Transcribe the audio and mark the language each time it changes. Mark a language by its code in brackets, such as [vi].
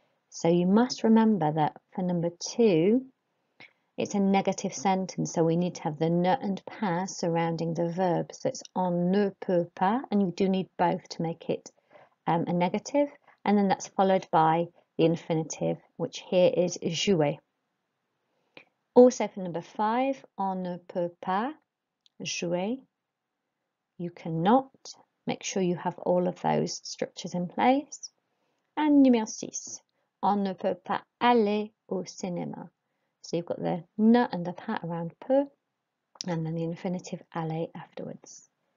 [en] So you must remember that for number 2, it's a negative sentence, so we need to have the ne and pas surrounding the verb. So it's [fr] on ne peut pas, [en] and you do need both to make it a negative, and then that's followed by the infinitive, which here is jouer. Also for number 5, [fr] on ne peut pas jouer. [en] You cannot, make sure you have all of those structures in place. [fr] And numéro 6, on ne peut pas aller au cinéma. [en] So you've got the ne and the pas around peut, and then the infinitive aller afterwards.